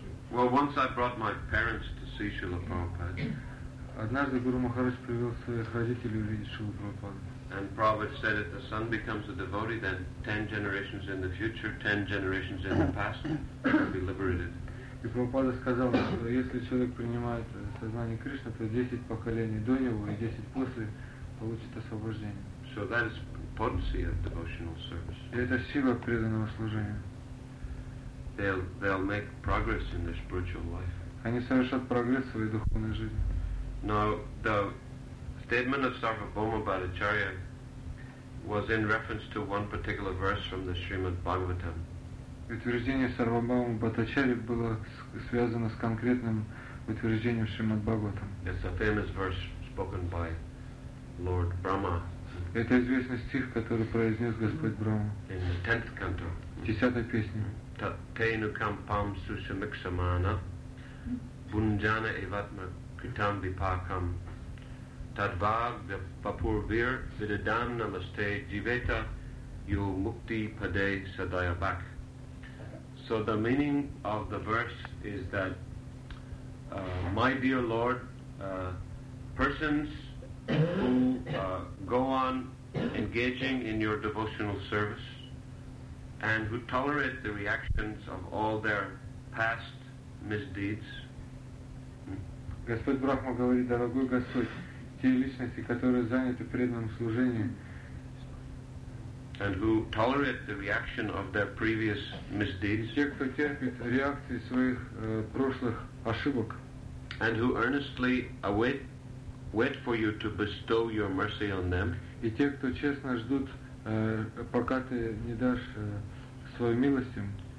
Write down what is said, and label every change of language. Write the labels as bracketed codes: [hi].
[en] Well, once I brought my parents to see Srila Prabhupada. [ru] Однажды Гуру Махарадж привел своих родителей увидеть Шрилу Прабхупаду. [en] And Prabhupada said, if the son becomes a devotee, then 10 generations in the future, 10 generations in the past, will be liberated. [ru] И Прабхупада сказал, что если человек принимает сознание Кришны, то 10 поколений до него и 10 после получит освобождение. [en] So that is potency of devotional service. [ru] И это сила преданного служения. [en] They'll make progress in their spiritual life. [ru] Они совершат прогресс в своей духовной жизни. [en] Now, the statement of Sarvabhauma Bhattacharya was in reference to one particular verse from the Srimad Bhagavatam. [ru] Утверждение Сарвабхаумы Бхаттачарьи было связано с конкретным утверждением Шримад Бхагаватам. [en] It's a famous verse spoken by Lord Brahma. [ru] Это известный стих, который произнес Господь Брахма. [en] In the 10th canto. [ru] Десятая песня. [sa] Татейну кампам сушамиксамана бунджана иватма критам випакам тадбаг вапурвир видадам намасте дживета ю мукти паде садайабак. [en] So the meaning of the verse is that, my dear Lord, persons who go on engaging in your devotional service and who tolerate the reactions of all their past misdeeds. [ru] Господь Брахма говорит, дорогой Господь, те личности, которые заняты преданным служением, [en] and who tolerate the reaction of their previous misdeeds, [ru] те, кто терпит реакции своих прошлых ошибок, [en] and who earnestly wait for you to bestow your mercy on them, [ru] и те, кто честно ждут, пока ты не дашь свою милость им,